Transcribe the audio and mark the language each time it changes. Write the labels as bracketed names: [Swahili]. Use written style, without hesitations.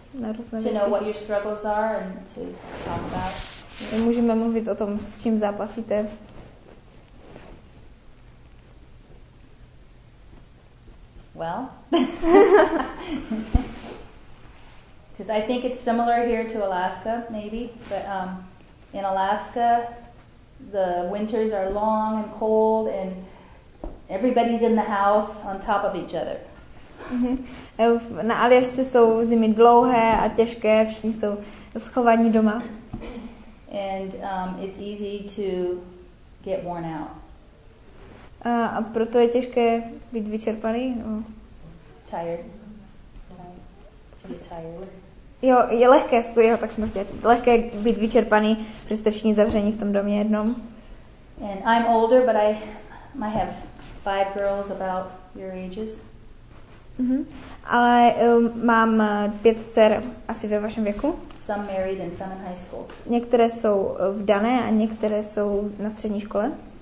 [English] To know what your struggles are and to talk about. [Czech] My můžeme mluvit o tom, s čím zápasíte. [English] Well. Because I think it's similar here to Alaska, maybe. But in Alaska, the winters are long and cold and everybody's in the house on top of each other. [Czech] Na Aljašce jsou zimy dlouhé a těžké, všichni jsou schovaní doma. [English] And it's easy to get worn out. [Czech] A proto je těžké být vyčerpaný? [English] No. Tired. Just tired. [Czech] Jo, je lehké, jo, tak jsme chtěli říct. Lehké být vyčerpaný, protože jste všichni zavření v tom domě jednom. [English] And I'm older, but I have 5 girls about your ages. [Czech] Ale mám 5 dcer asi ve vašem věku. [English] Some married and some in high school. [Czech] Některé jsou vdané a některé jsou na střední škole.